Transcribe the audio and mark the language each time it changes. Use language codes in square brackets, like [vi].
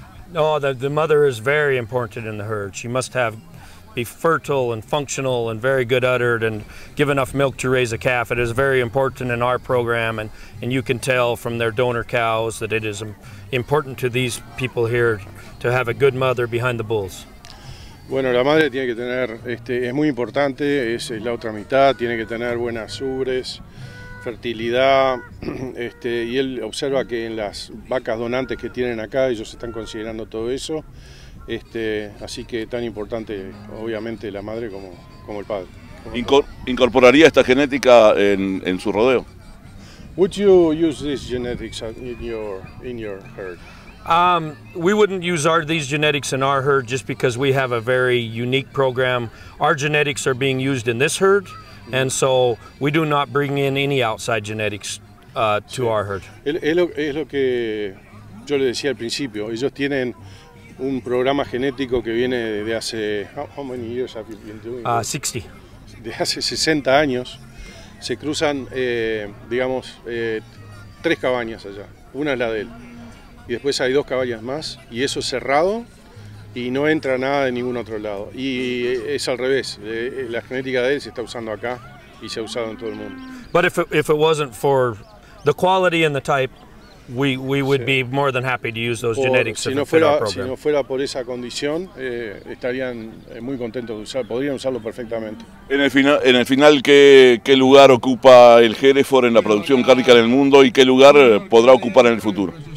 [en] No, the mother is very important in the herd. She must be fertile and functional and very good uddered and give enough milk to raise a calf. It is very important in our program, and you can tell from their donor cows that it is important to these people here to have a good mother behind the bulls. [es] Bueno, la madre tiene que tener, es muy importante, es la otra mitad, tiene que tener buenas ubres, fertilidad, y él observa que en las vacas donantes que tienen acá, ellos están considerando todo eso. Así que tan importante, obviamente, la madre como el padre. ¿Incorporaría esta genética en su rodeo? [en] Would you use these genetics in your herd? We wouldn't use these genetics in our herd just because we have a very unique program. Our genetics are being used in this herd, and so we do not bring in any outside genetics to our herd. [es] Es lo que yo le decía al principio. Ellos tienen un programa genético que viene de hace... [en] How many years have you been doing? 60. [es] De hace 60 años. Se cruzan, tres cabañas allá. Una es la de él. Y después hay dos cabañas más. Y eso es cerrado. Y no entra nada de ningún otro lado. Y es al revés. La genética de él se está usando acá. Y se ha usado en todo el mundo. [en] But if it wasn't for the quality and the type, we would be more than happy to use those genetics if it fit our program. [es] Si no fuera por esa condición, estarían muy contentos de usar, podrían usarlo perfectamente. En el final, ¿qué lugar ocupa el Hereford en la producción cárnica en el mundo y qué lugar podrá ocupar en el futuro?